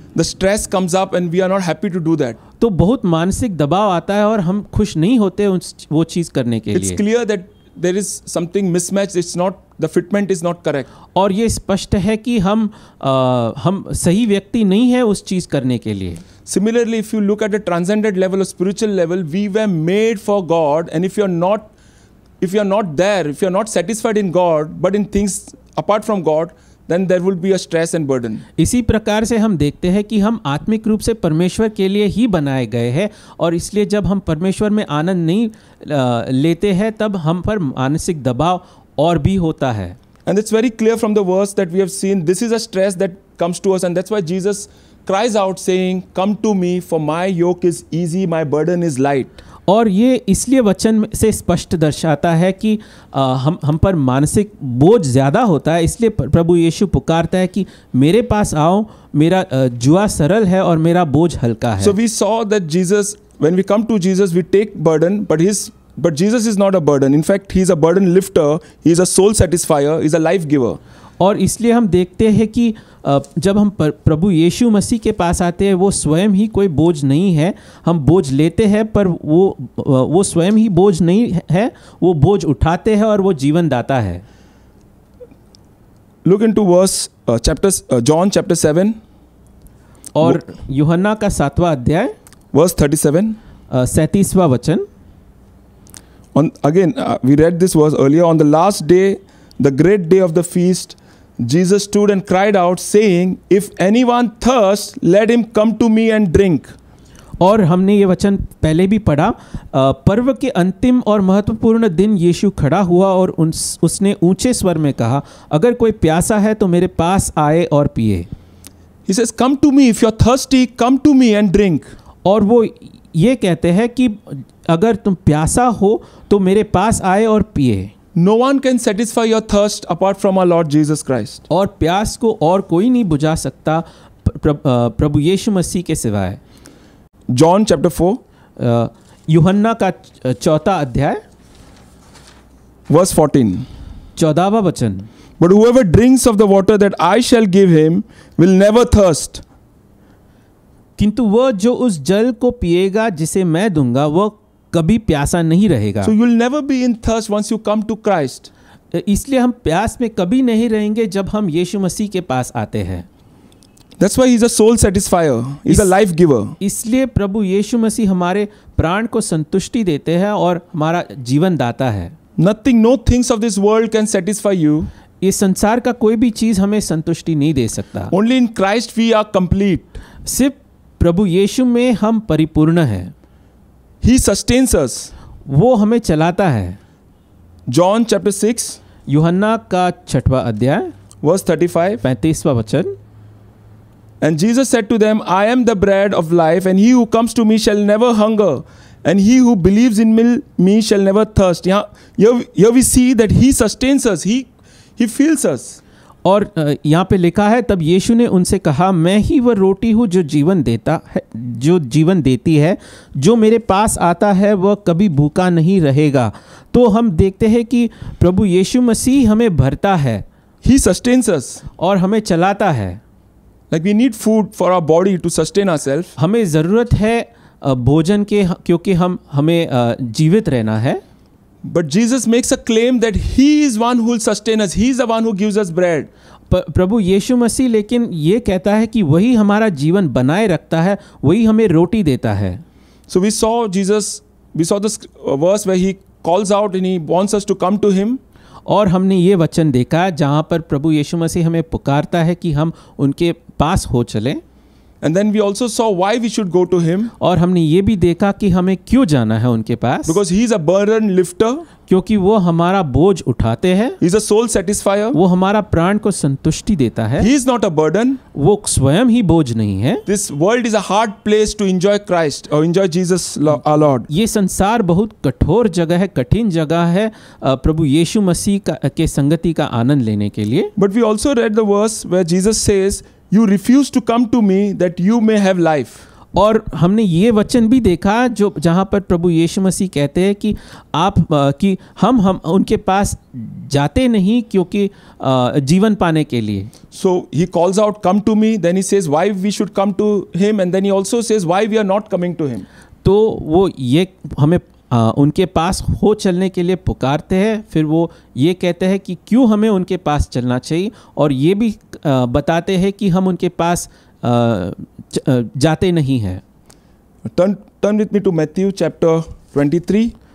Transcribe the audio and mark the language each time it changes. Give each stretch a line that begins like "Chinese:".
English: The stress comes up and we are not happy to do that.
Hindi: तो बहुत मानसिक दबाव आता है और हम खुश नहीं होते वो चीज़ करने के
English: It's
Hindi: लिए.
English: It's clear that there is something mismatch. It's not the fitment is not correct.
Hindi: और ये स्पष्ट है कि हम सही व्यक्ति नहीं है उस चीज़ करने के लिए.
English: Similarly, if you look at a transcendent level, a spiritual level, we were made for God. And if you are not satisfied in God, but in things apart from God, then there will be a stress and burden.
Hindi: इसी प्रकार से हम देखते हैं कि हम आत्मिक रूप से परमेश्वर के लिए ही बनाए गए हैं, और इसलिए जब हम परमेश्वर में आनंद नहीं लेते हैं तब हम पर मानसिक दबाव और भी होता है.
English: And it's very clear from the verse that we have seen, this is a stress that comes to us, and that's why Jesus cries out saying, come to me for my yoke is easy, my burden is light.
Hindi: और ये इसलिए वचन से स्पष्ट दर्शाता है कि हम पर मानसिक बोझ ज़्यादा होता है, इसलिए प्रभु यीशु पुकारता है कि मेरे पास आओ, मेरा जुआ सरल है और मेरा बोझ हल्का है.
English: So we saw that Jesus, when we come to Jesus, we take burden, but Jesus is not a burden. In fact, he is a burden lifter, he is a soul satisfier, he is a life giver.
Hindi: और इसलिए हम देखते हैं कि जब हम प्रभु यीशु मसीह के पास आते हैं वो स्वयं ही कोई बोझ नहीं है. हम बोझ लेते हैं पर वो स्वयं ही बोझ नहीं है, वो बोझ उठाते हैं और वो जीवन दाता है.
English: look into verse chapter John chapter 7
Hindi: और यूहन्ना का 7वां अध्याय
English: verse 37
Hindi: 37वां वचन.
English: On again we read this verse earlier. On the last day the great day of the feast Jesus stood and cried out, saying, "If anyone thirsts, let him come to me and drink."
Hindi: और हमने ये वचन पहले भी पढ़ा. पर्व के अंतिम और महत्वपूर्ण दिन यीशु खड़ा हुआ और उसने ऊंचे स्वर में कहा, अगर कोई प्यासा है तो मेरे पास आए और पिए.
English: He says, "Come to me if you're thirsty. Come to me and drink."
Hindi: और वो ये कहते हैं कि अगर तुम प्यासा हो तो मेरे पास आए और पिए.
English: No one can satisfy your thirst apart from our Lord Jesus Christ.
Hindi: और प्यास को और कोई नहीं बुझा सकता प्रभु यीशु मसीह के सिवाय.
English: John chapter 4.
Hindi: यूहन्ना का 4वां अध्याय.
English: Verse 14.
Hindi: 14वां वचन.
English: But whoever drinks of the water that I shall give him will never thirst.
Hindi: किंतु वह जो उस जल को पिएगा जिसे मैं दूंगा वह कभी प्यासा नहीं रहेगा.
English: So you will never be in thirst once you come to Christ.
Hindi: इसलिए हम प्यास में कभी नहीं रहेंगे जब हम यीशु मसीह के पास आते हैं.
English: That's why he's a soul satisfier, he's a life giver.
Hindi: इसलिए प्रभु यीशु मसीह हमारे प्राण को संतुष्टि देते हैं और हमारा जीवन दाता है.
English: Nothing, no things of this world can satisfy you.
Hindi: ये संसार का कोई भी चीज हमें संतुष्टि नहीं दे सकता.
English: Only in Christ we are complete.
Hindi: सिर्फ प्रभु यीशु में हम परिपूर्ण हैं.
English: He sustains us.
Hindi: वो हमें चलाता है.
English: John chapter 6.
Hindi: यूहन्ना का 6वां अध्याय.
English: Verse 35.
Hindi: 35वां वचन.
English: And Jesus said to them, I am the bread of life, and he who comes to me shall never hunger, and he who believes in me shall never thirst. Yeah, here we see that he sustains us. He fills us.
Hindi: और यहाँ पे लिखा है तब यीशु ने उनसे कहा मैं ही वह रोटी हूँ जो जीवन देती है जो मेरे पास आता है वह कभी भूखा नहीं रहेगा. तो हम देखते हैं कि प्रभु यीशु मसीह हमें भरता है.
English: He sustains us.
Hindi: और हमें चलाता है.
English: Like we need food for our body to sustain ourselves.
Hindi: हमें ज़रूरत है भोजन के क्योंकि हमें जीवित रहना है.
English: But Jesus makes a claim that He is one who will sustain us. He is the one who gives us bread.
Hindi: प्रभु यीशु मसीह लेकिन ये कहता है कि वही हमारा जीवन बनाए रखता है, वही हमें रोटी देता है.
English: So we saw this verse where He calls out and He wants us to come to Him.
Hindi: और हमने ये वचन देखा जहाँ पर प्रभु यीशु मसीह हमें पुकारता है कि हम उनके पास हो चलें.
English: And then we also saw why we should go to him.
Hindi: और हमने ये भी देखा कि हमें क्यों जाना है उनके पास.
English: Because he is a burden lifter.
Hindi: क्योंकि वो हमारा बोझ उठाते हैं.
English: He is a soul satisfier.
Hindi: वो हमारा प्राण को संतुष्टि देता है.
English: He is not a burden.
Hindi: वो स्वयं ही बोझ नहीं है.
English: This world is a hard place to enjoy Christ or enjoy Jesus our Lord.
Hindi: ये संसार बहुत कठोर जगह है, कठिन जगह है प्रभु यीशु मसीह के संगति का आनंद लेने के लिए.
English: But we also read the verse where Jesus says, You refuse to come to me that you may have life.
Hindi: और हमने ये वचन भी देखा जो जहाँ पर प्रभु यीशु मसीह कहते हैं कि आप कि हम उनके पास जाते नहीं क्योंकि जीवन पाने के लिए.
English: So he calls out, come to me. Then he says, why we should come to him? And then he also says, why we are not coming to him?
Hindi: तो वो ये हमें उनके पास हो चलने के लिए पुकारते हैं. फिर वो ये कहते हैं कि क्यों हमें उनके पास चलना चाहिए और ये भी बताते हैं कि हम उनके पास जाते नहीं हैं.
English: Turn with me to Matthew chapter 23.